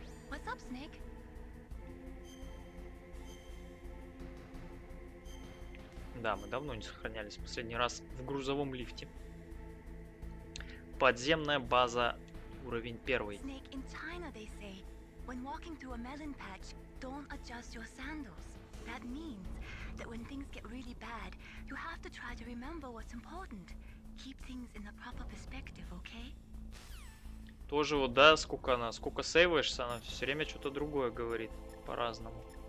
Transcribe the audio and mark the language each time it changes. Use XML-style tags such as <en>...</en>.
<en>What's up, Snake?</en> <ru>Да, мы давно не сохранялись. Последний раз в грузовом лифте. Подземная база, уровень первый.</ru> <en>Snake, in China, they say, when walking through a melon patch, don't adjust your sandals. That means that when things get really bad, you have to try to remember what's important. Keep things in the proper perspective, okay?</en> <ru>Тоже вот, да, сколько сейвуешься, она все время что-то другое говорит по-разному.</ru>